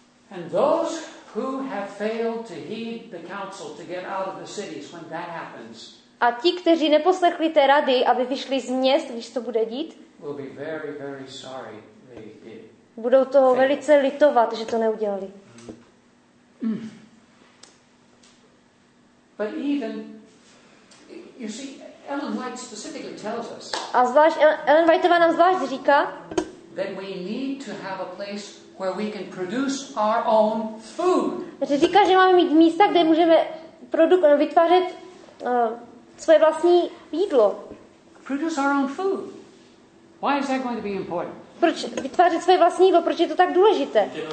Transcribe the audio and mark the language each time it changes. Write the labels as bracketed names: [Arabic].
[English] And those who have failed to heed the council to get out of the cities when that happens. [Czech] A ti, kteří neposlechli té rady, aby vyšli z měst, když to bude dít, [English] will be very, very sorry they did. [Czech] Budou toho velice litovat, že to neudělali. [English] But even you see Ellen White specifically tells us. [Czech] A zvlášť Ellen Whiteová nám zvlášť říká, [English] that we need to have a place where we can produce our own food. [Czech] Říká, že máme mít místa, kde můžeme vytvářet svoje vlastní jídlo. [English] Produce our own food. Why is that going to be important? [Czech] Proč vytvářet svoje vlastní jídlo, proč je to tak důležité?